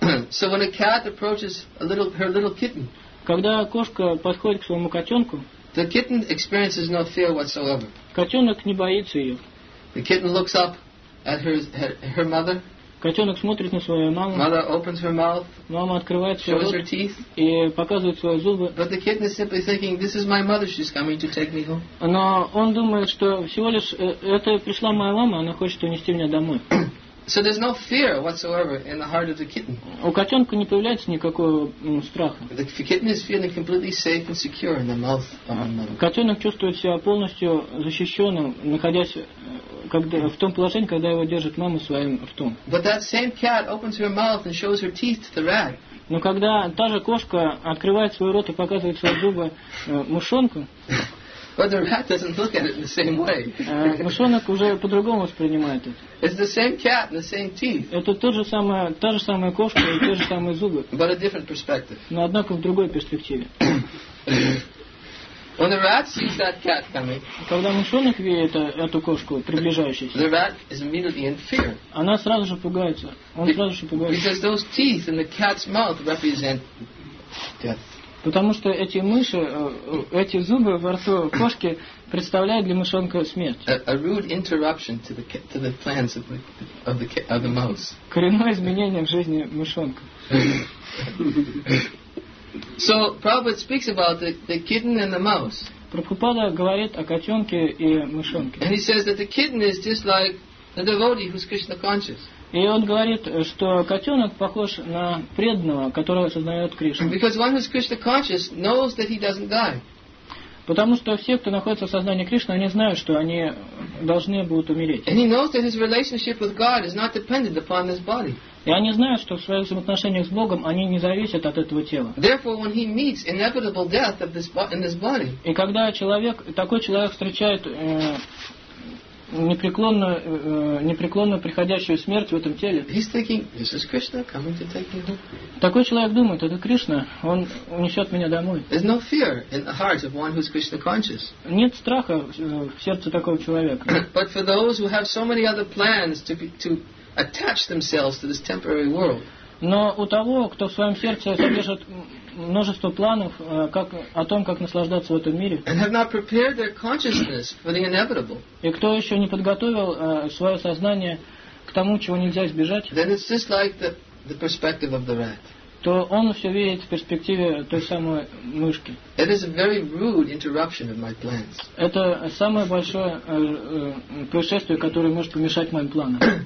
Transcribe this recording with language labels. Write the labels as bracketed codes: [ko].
[en] So when a cat approaches her little kitten. [ru] Когда кошка подходит к своему котенку. [en] The kitten experiences no fear whatsoever. [ru] Котенок не боится ее. [en] The kitten looks up at her mother. [ru] Котенок смотрит на свою маму. [en] Mother opens her mouth. [ru] Мама открывает свой [en] Her teeth. [ru] И показывает свои зубы. [en] But the kitten is simply thinking, this is my mother, she's coming to take me home. [ru] Но он думает, что всего лишь это пришла моя мама, она хочет унести меня домой. [en] So there's no fear whatsoever in the heart of the kitten. [ru] У котенка не появляется никакого страха. [en] The kitten is feeling completely safe and secure in the mouth of the mother. [ru] Котенок чувствует себя полностью защищенным, находясь в том положении, когда его держит мама своим ртом. [en] But that same cat opens her mouth and shows her teeth to the rat. [ru] Но когда та же кошка открывает свой рот и показывает свои зубы мышонку. [en] But the rat doesn't look at it in the same way. [ru] Мышонок уже по-другому воспринимает это. [en] It's the same cat and the same teeth. [ru] Это та же самая кошка и те же самые зубы. [en] But a different perspective. [ru] Но однако в другой перспективе. [en] When the rat sees that cat coming, [ru] когда мышонок видит эту кошку, приближающуюся, [en] the rat is immediately in fear. [ru] Она сразу же пугается. Он сразу же пугается. [en] Because those teeth in the cat's mouth represent death. [ru] Потому что эти мыши, эти зубы во рту кошки представляют для мышонка смерть. [en] A rude interruption to the plans of the mouse. [ru] Коренное изменение в жизни мышонка. [en] So Prabhupada speaks about the kitten and the mouse. [ru] Прабхупада говорит о котенке и мышонке. [en] And he says that the kitten is just like the devotee who's Krishna conscious. [ru] И он говорит, что котенок похож на преданного, который сознает Кришну. [en] Because one who's Krishna conscious knows that he doesn't die. [ru] Потому что все, кто находится в сознании Кришны, они знают, что они должны будут умереть. [en] And he knows that his relationship with God is not dependent upon this body. [ru] И они знают, что в своих взаимоотношениях с Богом они не зависят от этого тела. [en] Therefore, when he meets inevitable death of this in this body. [ru] И когда человек, такой человек встречает непреклонно приходящую смерть в этом теле. [en] He's thinking, this is Krishna coming to take me home. [ru] Такой человек думает, это Кришна, он унесет меня домой. [en] There's no fear in the heart of one who's Krishna conscious. [ru] Нет страха в сердце такого человека. [en] But for those who have so many other plans to attach themselves to this temporary world. [ru] Но у того, кто в своем сердце содержит множество планов как, о том, как наслаждаться в этом мире. [en] And have not prepared their consciousness for the inevitable. [ru] И кто еще не подготовил свое сознание к тому, чего нельзя избежать, [en] then it's just like the perspective of the rat. [ru] То он все видит в перспективе той самой мышки. [en] It is a very rude interruption of my plans. [ru] Это самое большое происшествие, которое может помешать моим планам.